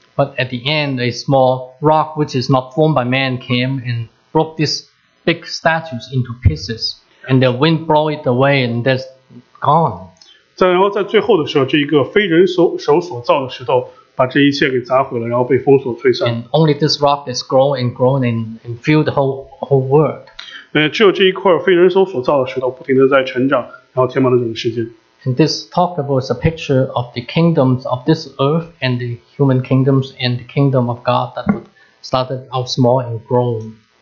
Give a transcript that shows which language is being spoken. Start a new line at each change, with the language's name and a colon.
English: But at the end, a small rock which is not formed by man came and broke these big statues into pieces. And the wind blew it away and that's gone.
Chinese: 然后在最后的时候，这一个非人手所造的石头。把这一切给砸毁了，然后被封锁摧残。
English: And only this rock is grown and filled the whole world.
Chinese: 只有这一块非人手所造的石头不停地在成长，然后填满了整个世界。
English: And this talk about is a picture of the kingdoms of this earth and the human kingdoms and the kingdom of God that started out small and grown.